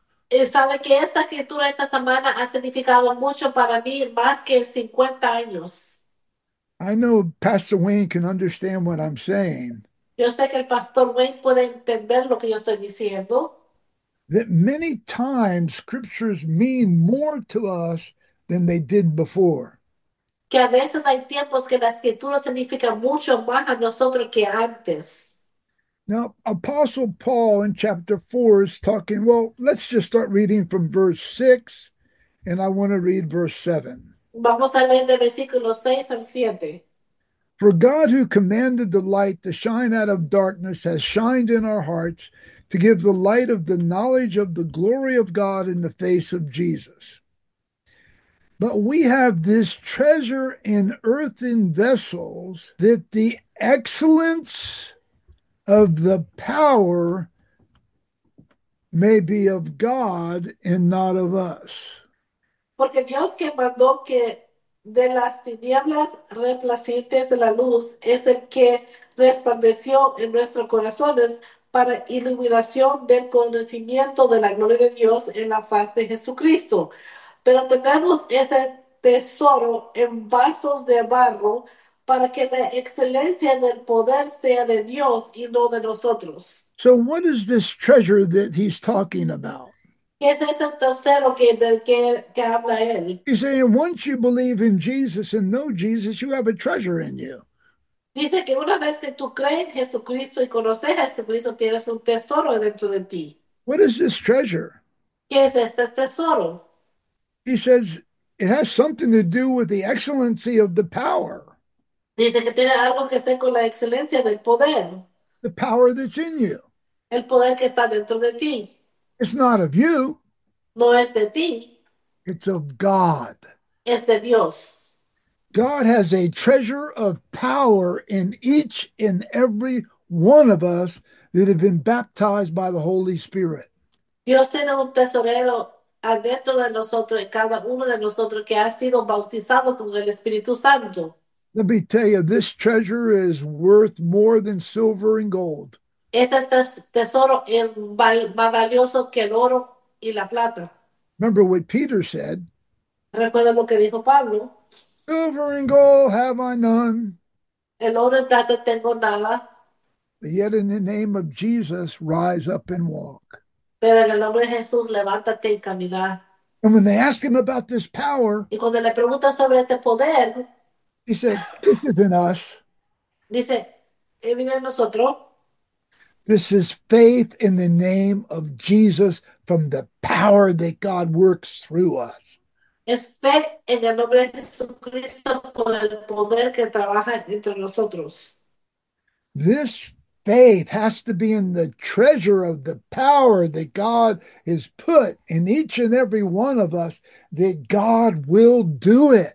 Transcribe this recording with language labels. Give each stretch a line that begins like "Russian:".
Spanish: Y sabe que esta escritura esta semana ha significado mucho para mí más que 50 años.
English: I know Pastor Wayne can understand what I'm saying.
Spanish: Yo sé que el pastor Wayne puede entender lo que yo estoy diciendo.
English: That many times scriptures mean more to us than they did before.
Spanish: Que a veces hay tiempos que la escritura significa mucho más a nosotros que antes.
English: Now, Apostle Paul in chapter 4 is talking, well, let's just start reading from verse 6, and I want to read verse 7.
Spanish: Vamos a leer de versículo 6 al 7.
English: For God who commanded the light to shine out of darkness has shined in our hearts to give the light of the knowledge of the glory of God in the face of Jesus. But we have this treasure in earthen vessels that the excellence of the power may be of God and not of us.
Spanish: Porque Dios que mandó que de las tinieblas resplandecientes de la luz es el que resplandeció en nuestros corazones para iluminación del conocimiento de la gloria de Dios en la faz de Jesucristo. Pero tenemos ese tesoro en vasos de barro para que la excelencia del poder sea de Dios y no de nosotros.
English: So, what is this treasure that he's talking about?
Spanish: Es ese tercero que del que habla él.
English: He's saying, once you believe in Jesus and know Jesus, you have a treasure in you.
Spanish: Dice que una vez que tú crees en Jesucristo y conoces a Jesucristo, tienes un tesoro dentro de ti.
English: What is this treasure?
Spanish: ¿Qué es este tesoro?
English: He says, it has something to do with the excellency of the power.
Spanish: Dice que tiene algo que hacer con la excelencia del poder.
English: The power that's in you.
Spanish: El poder que está dentro de ti.
English: It's not of you.
Spanish: No es de ti,
English: It's of God.
Spanish: es de Dios.
English: God has a treasure of power in each and every one of us that have been baptized by the Holy Spirit.
Spanish: Dios tiene un tesorero adentro de nosotros y cada uno de nosotros que ha sido bautizado con el Espíritu Santo.
English: Let me tell you, this treasure is worth more than silver and gold.
Spanish: Este tesoro es más valioso que el oro. Y la plata.
English: Remember what Peter said.
Spanish: Recuerda lo que dijo Pablo.
English: Silver and gold have I none.
Spanish: El oro y plata tengo nada.
English: But yet in the name of Jesus, rise up and walk.
Spanish: Pero en el nombre de Jesús, levántate y camina.
English: And when they ask him about this power,
Spanish: Y cuando le pregunta sobre este poder,
English: he said, greater than us.
Spanish: dice, ¿él vive en nosotros?
English: This is faith in the name of Jesus from the power that God works through us.
Spanish: Es fe en el nombre de Jesucristo por el poder que trabaja entre nosotros.
English: This faith has to be in the treasure of the power that God has put in each and every one of us, that God will do it.